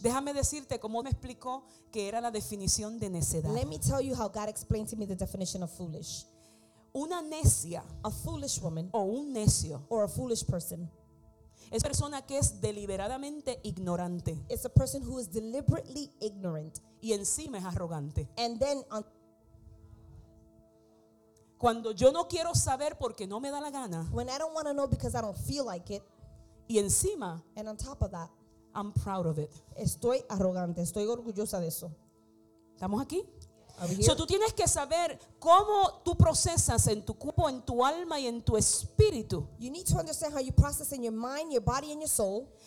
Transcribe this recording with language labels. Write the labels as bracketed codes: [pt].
[es] déjame decirte cómo me explicó que era la definición de necedad. [en] Let me tell you how God explained to me the definition of foolish. [es] Una necia, [en] a foolish woman, [es] o un necio, [en] or a foolish person, [es] es persona que es deliberadamente ignorante. [en] It's a person who is deliberately ignorant. [es] Y encima es arrogante. [en] And then on. [es] Cuando yo no quiero saber porque no me da la gana. [en] When I don't want to know because I don't feel like it. [es] Y encima, [en] and on top of that, I'm proud of it. [es] Estoy arrogante, estoy orgullosa de eso. ¿Estamos aquí? [en] Are we here? So [es] tú tienes que saber cómo tú procesas en tu cuerpo, en tu alma y en tu espíritu. [en] You need to understand how you process in your mind, your body and your soul.